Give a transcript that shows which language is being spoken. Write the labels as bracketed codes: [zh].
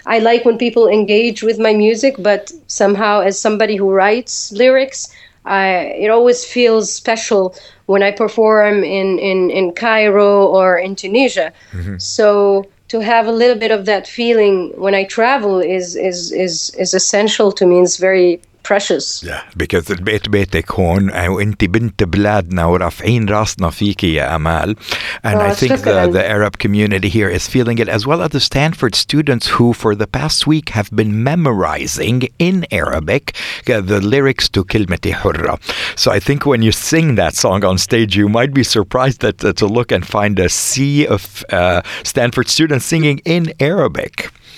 [en] I like when people engage with my music, but somehow as somebody who writes lyrics, it always feels special when I perform in Cairo or in Tunisia. Mm-hmm. So to have a little bit of that feeling when I travel is essential to me. It's very precious. Yeah, because [ar] البيت بيتك هون وانت بنت بلادنا ورافعين راسنا فيكي يا أمال. [en] And I think the Arab community here is feeling it, as well as the Stanford students who for the past week have been memorizing in Arabic the lyrics to Kilmati Hurra. So I think when you sing that song on stage, you might be surprised to look and find a sea of Stanford students singing in Arabic.